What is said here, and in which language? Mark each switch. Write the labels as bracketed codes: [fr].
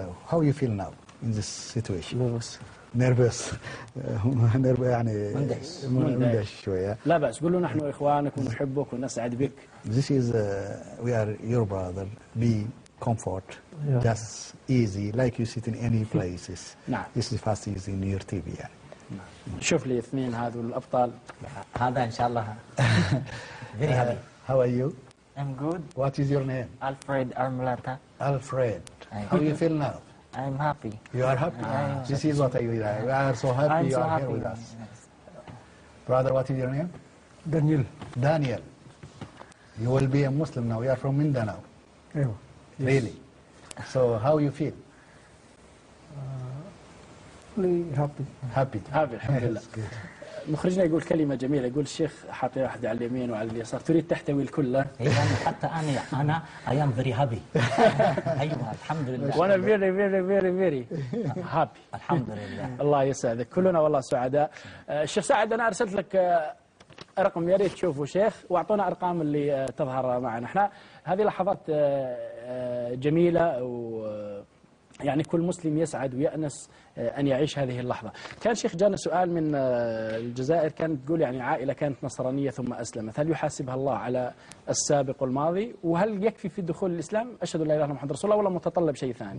[en] How you feel now in this situation? Nervous. Nervous nervous يعني [ar] مندش شوية. لا بس قلوا نحن إخوانك ونحبك ونسعد بك. [en] This is we are your brother. Be comfort. Yeah. That's easy like you sit in any places. [ar] نعم. [en] This is fast easy in your TV يعني. [ar] نعم. شوف لي اثنين هذو الأبطال. هذا إن شاء الله. [en] Very happy. How are you? I'm good. What is your name? Alfred Armulata. Alfred. How you feel now? I'm happy. You are happy. This is what I will. We are so happy you are here with us. Yes. Brother, what is your name? Daniel. Daniel. You will be a Muslim now. You are from Mindanao. Yes. Really? So how you feel? Happy. [ar] Happy. Alhamdulillah. مخرجنا يقول كلمة جميلة. يقول الشيخ حاطي واحد على اليمين وعلى اليسار تريد تحتوي الكل. حتى أنا [en] I am very happy. [ar] أيوة الحمد لله. [en] وأنا very very very very happy. [ar] الحمد لله. الله يسعدك. كلنا والله سعداء. الشيخ سعد أنا أرسلت لك رقم ياريت تشوفه شيخ وأعطونا أرقام اللي تظهر معنا. إحنا هذه لحظات جميلة و يعني كل مسلم يسعد ويأنس أن يعيش هذه اللحظة. كان شيخ جانا سؤال من الجزائر كان تقول يعني عائلة كانت نصرانية ثم أسلمت هل يحاسبها الله على السابق والماضي وهل يكفي في دخول الإسلام أشهد أن لا إله إلا محمد رسول الله ولا متطلب شيء ثاني؟